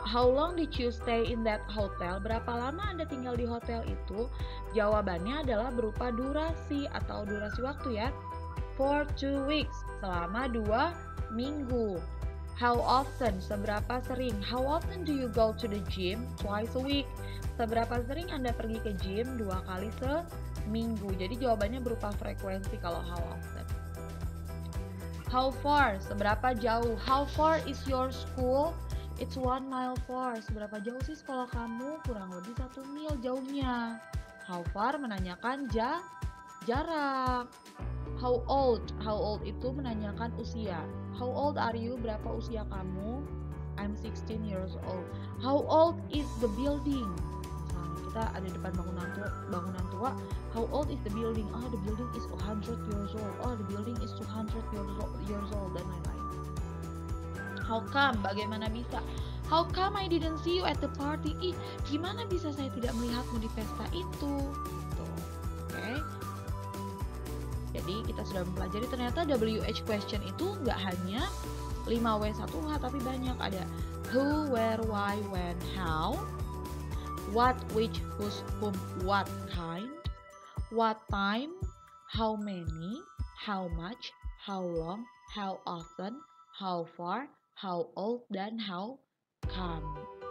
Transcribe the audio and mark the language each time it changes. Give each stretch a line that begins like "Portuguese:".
English: How long did you stay in that hotel?
Indonesian: Berapa lama Anda tinggal di hotel itu? Jawabannya adalah berupa durasi atau durasi waktu ya.
English: For 2 weeks,
Indonesian: selama 2 minggu.
English: How often,
Indonesian: seberapa sering?
English: How often do you go to the gym? Twice a week.
Indonesian: Seberapa sering Anda pergi ke gym? 2 kali seminggu. Jadi jawabannya berupa frekuensi kalau how often.
English: How far,
Indonesian: seberapa jauh?
English: How far is your school? It's 1 mile far.
Indonesian: Seberapa jauh sih sekolah kamu? Kurang lebih 1 mil jauhnya.
English: How far
Indonesian: menanyakan jarak.
English: How old? How old
Indonesian: itu menanyakan usia.
English: How old are you?
Indonesian: Berapa usia kamu?
English: I'm 16 years old. How old is the building?
Indonesian: Misalnya kita ada depan bangunan tua.
English: How old is the building? Oh, the building is 100 years old. Oh, the building is 200 years old,
Indonesian: dan lain-lain.
English: How come?
Indonesian: Bagaimana bisa?
English: How come I didn't see you at the party?
Indonesian: Ih, gimana bisa saya tidak melihatmu di pesta itu? Jadi kita sudah mempelajari ternyata WH question itu nggak hanya 5W1H tapi banyak, ada who, where, why, when, how, what, which, whose, whom, what kind, what time, how many, how much, how long, how often, how far, how old, dan how come.